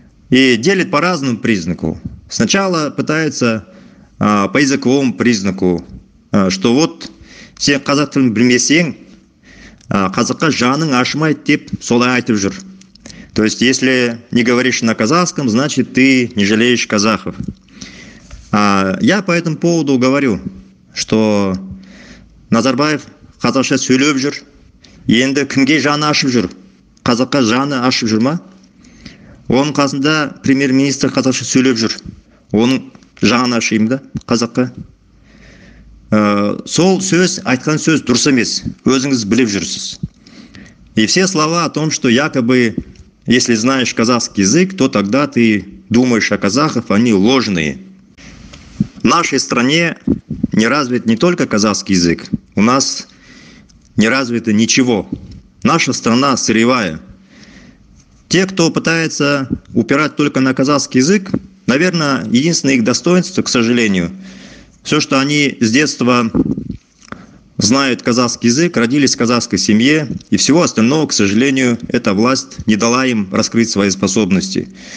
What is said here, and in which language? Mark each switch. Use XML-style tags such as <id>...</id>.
<ru>И делят по разному признаку. Сначала пытаются по языковому признаку, что вот все</ru> <kk>казахтарин бремесен, казаха жанын ашмай теп солай айтып жүр.</kk> <ru>То есть если не говоришь на казахском, значит ты не жалеешь казахов. Я по этому поводу говорю, что</ru> <kk>Назарбаев қазақша сөйлеп жүр, енді кімге жаны ашып жүр? Қазаққа жаны ашып жүр ма? Оның қасында премьер-министр қазақша сөйлеп жүр, оның жаны ашайым да қазаққа. Сол сөз, айтқан сөз дұрыс емес, өзіңіз біліп жүрсіз.</kk> <ru>И все слова о том, что якобы, если знаешь казахский язык, то тогда ты думаешь о казахов, они ложные. В нашей стране не развит не только казахский язык, у нас не развито ничего. Наша страна сырьевая. Те, кто пытается упирать только на казахский язык, наверное, единственное их достоинство, к сожалению, все, что они с детства знают казахский язык, родились в казахской семье, и всего остального, к сожалению, эта власть не дала им раскрыть свои способности.</ru>